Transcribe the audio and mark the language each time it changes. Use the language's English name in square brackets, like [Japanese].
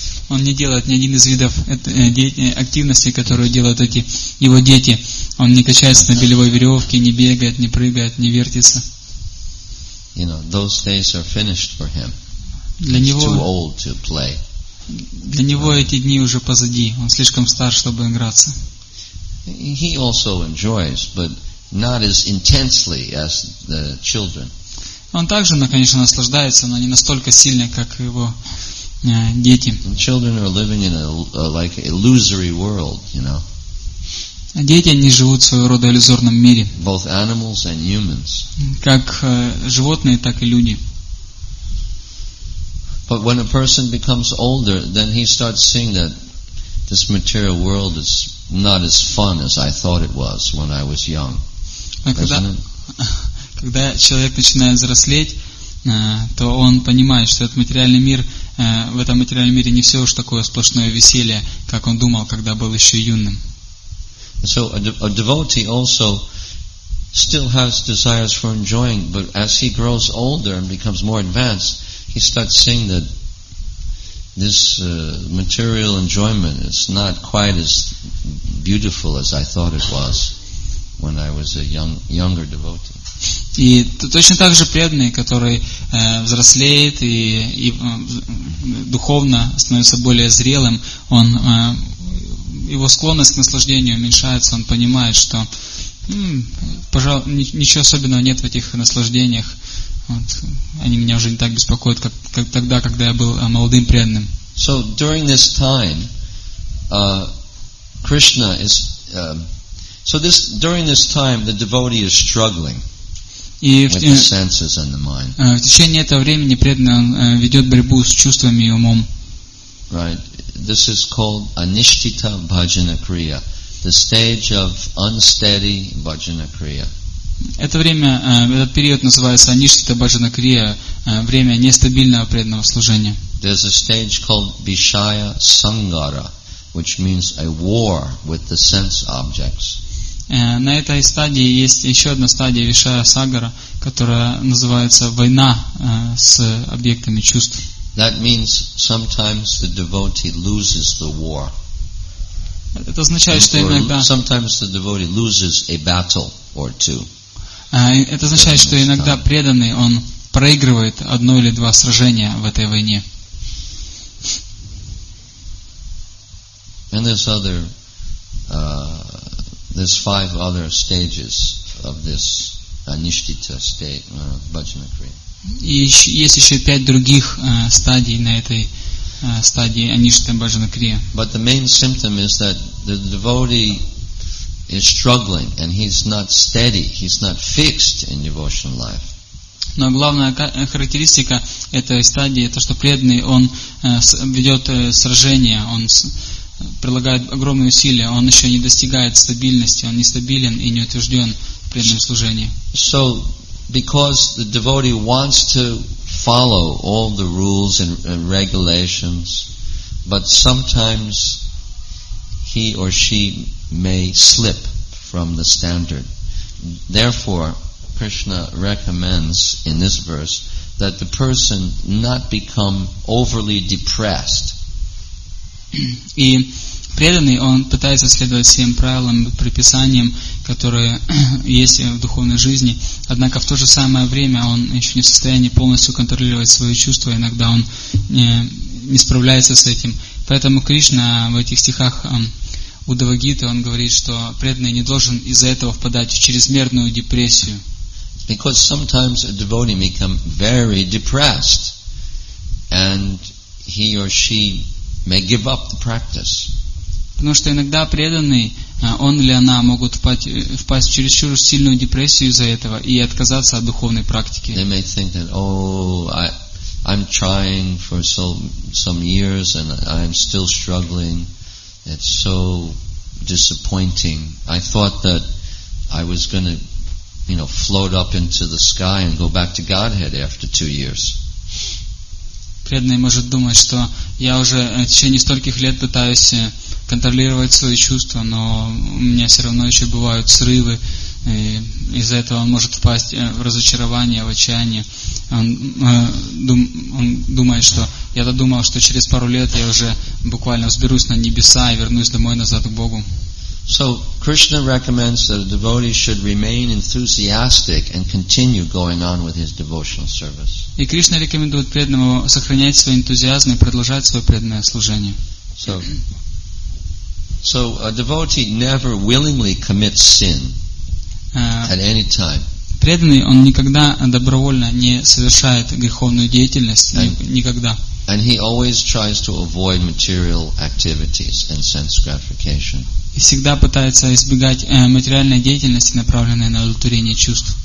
[Russian] Он не делает ни один из видов активности, которую делают эти его дети. Он не качается на белевой веревке, не бегает, не прыгает, не вертится. [English] you know, those days are finished for him. [Russian] Для него, [English] he's too old to play. [Russian] Для него эти дни уже позади. Он слишком стар, чтобы играться. [English] He also enjoys, but not as intensely as the children. [Russian] Он также, конечно, наслаждается, но не настолько сильно, как его дети. [English] Children are living in a like illusory world, you know. [Russian] Дети, они живут в своего рода иллюзорном мире. [English] Both animals and humans. [Russian] Как животные, так и люди. [English] But when a person becomes older, then he starts seeing that this material world is not as fun as I thought it was when I was young. [Russian] Когда человек начинает взрослеть, то он понимает, что этот материальный мир, в этом материальном мире не все уж такое сплошное веселье, как он думал, когда был еще юным. [English] So a devotee also still has desires for enjoying, but as he grows older and becomes more advanced, he starts seeing that this material enjoyment is not quite as beautiful as I thought it was when I was a younger devotee. [Russian] И точно так же преданный, который взрослеет и духовно становится более зрелым, он его склонность к наслаждению уменьшается, он понимает, что ничего особенного нет в этих наслаждениях. Вот, они меня уже не так беспокоят, как тогда, когда я был молодым преданным. [English] So during this time, Krishna is during this time the devotee is struggling. [Russian] И [English] with the senses and the mind. [Russian] В течение этого времени преданный ведет борьбу с чувствами и умом. [English] Right. This is called anishtita bhajana kriya, the stage of unsteady bhajana kriya. [Russian] Это время, этот период называется anishtita bhajana kriya, время нестабильного преданного служения. [English] There's a stage called vishaya sangara, which means a war with the sense objects. [Russian] На этой стадии есть еще одна стадия вишая сагара, которая называется война с объектами чувств. [English] That means sometimes the devotee loses the war. [Russian] Это означает, что иногда. [English] Sometimes the devotee loses a battle or two. [Russian] Это означает, что иногда преданный он проигрывает одно или два сражения в этой войне. [English] And there's other. There's five other stages of this anishtita state, bhajana kriya. [Russian] И есть еще пять других стадий на этой стадии anishtita bhajana kriya. [English] But the main symptom is that the devotee is struggling and he's not steady, he's not fixed in devotional life. [Russian] Но главная характеристика этой стадии это что преданный он ведет сражение, он прилагает огромные усилия, он еще не достигает стабильности, он нестабилен и не утвержден в преданном служении. [English] So, because the devotee wants to follow all the rules and regulations, but sometimes he or she may slip from the standard. Therefore, Krishna recommends in this verse that the person not become overly depressed. [Russian] И преданный, он пытается следовать всем правилам и предписаниям, которые есть в духовной жизни. Однако в то же самое время он еще не в состоянии полностью контролировать свои чувства. Иногда он не справляется с этим. Поэтому Кришна в этих стихах Удава Гиты, он говорит, что преданный не должен из-за этого впадать в чрезмерную депрессию. [English] Because sometimes a devotee may become very depressed and he or she may give up the practice. [Russian] Потому что иногда преданный, он или она могут впасть в чересчур сильную депрессию из-за этого и отказаться от духовной практики. [English] They may think that, I'm trying for some years and I'm still struggling. It's so disappointing. I thought that I was gonna, you know, float up into the sky and go back to Godhead after 2 years. [Russian] Преданный может думать, что я уже в течение стольких лет пытаюсь контролировать свои чувства, но у меня все равно еще бывают срывы, и из-за этого он может впасть в разочарование, в отчаяние. Он думает, что я-то думал, что через пару лет я уже буквально взберусь на небеса и вернусь домой назад к Богу. [English] So Krishna recommends that a devotee should remain enthusiastic and continue going on with his devotional service. [Russian] И Кришна рекомендует преданному сохранять свой энтузиазм и продолжать свое преданное служение. [English] So a devotee never willingly commits sin at any time. [Russian] Преданный, он никогда добровольно не совершает греховную деятельность, никогда. [English] And he always tries to avoid material activities and sense gratification. [Russian] И всегда пытается избегать материальной деятельности, направленной на удовлетворение чувств.